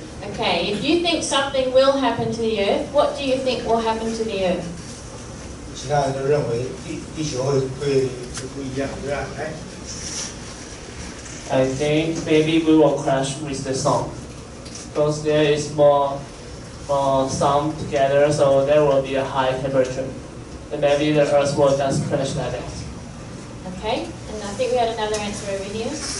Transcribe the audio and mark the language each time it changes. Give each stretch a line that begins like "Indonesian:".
English: Okay, if you think something will happen to the Earth, what do you think will happen to the Earth?
Chinese: 其他人都认为 地球会是不一样，对吧？来。
English: I think maybe we will crash with the sun. Because there is more sun together, so there will be a high temperature. And maybe the Earth will just crash like that. Okay, and I think we had another answer over here.